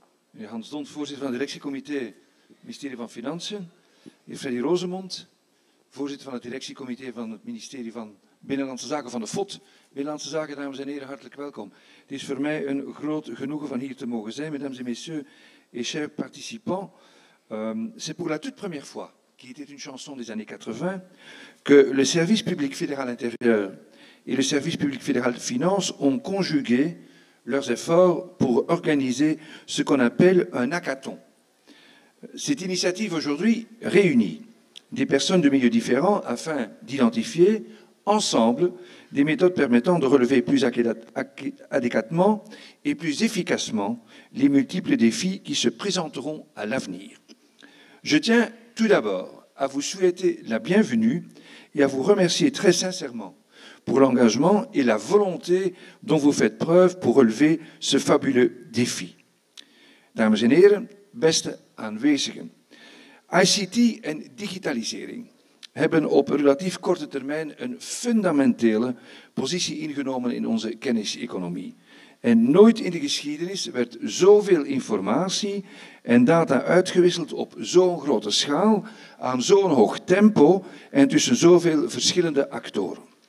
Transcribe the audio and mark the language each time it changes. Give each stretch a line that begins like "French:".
Dutch: Meneer Hans Dont, voorzitter van het directiecomité, ministerie van Financiën. Heer Freddy Rosemond, voorzitter van het directiecomité van het ministerie van Binnenlandse Zaken, van de FOD. Binnenlandse Zaken, dames en heren, hartelijk welkom. Het is voor mij een groot genoegen van hier te mogen zijn,
French: mesdames en messieurs et chers participants. C'est pour la toute première fois, qui était une chanson des années 80, que le service public fédéral intérieur et le service public fédéral de finances ont conjugué leurs efforts pour organiser ce qu'on appelle un hackathon. Cette initiative aujourd'hui réunit des personnes de milieux différents afin d'identifier ensemble des méthodes permettant de relever plus adéquatement et plus efficacement les multiples défis qui se présenteront à l'avenir. Je tiens tout d'abord à vous souhaiter la bienvenue et à vous remercier très sincèrement pour l'engagement et la volonté dont vous faites preuve pour relever ce fabuleux défi.
Dutch: Dames en heren, beste aanwezigen. ICT en digitalisering hebben op relatief korte termijn een fundamentele positie ingenomen in onze kenniseconomie. En nooit in de geschiedenis werd zoveel informatie en data uitgewisseld op zo'n grote schaal, aan zo'n hoog tempo en tussen zoveel verschillende actoren.